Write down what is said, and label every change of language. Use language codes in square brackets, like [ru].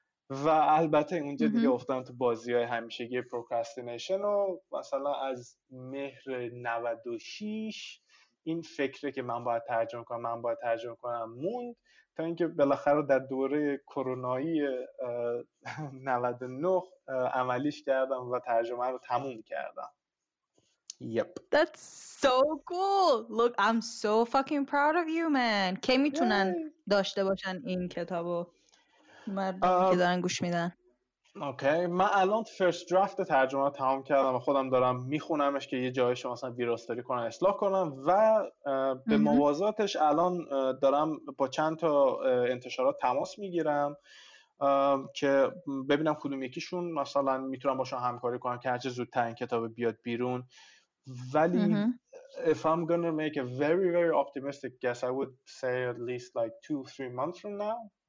[fa] و البته اونجا دیگه افتادم تو بازی‌های همیشگی پروکرستینیشن، و مثلا از مهر 96 این فکره که من باید ترجمه کنم، من باید ترجمه کنم موند، تا اینکه بالاخره در دوره کرونایی 99 عملیش کردم و ترجمه رو تموم کردم. [en] Yep. That's so cool. Look, I'm so fucking proud of you, man. [fa] کی میتونن داشته باشن این کتابو؟ مردم که دارن گوش میدن. اوکی. من الان فرست درافت ترجمه رو تمام کردم و خودم دارم میخونمش که یه جایش رو مثلا ویراستاری کنم، اصلاح کنم، و به موازاتش الان دارم با چند تا انتشارات تماس میگیرم که ببینم کدوم یکیشون مثلا میتونم باشون همکاری کنم که هرچه زودتر این کتاب بیاد بیرون. ولی [en] if I'm gonna make a very very optimistic guess, I would say at least like 2-3 months from now.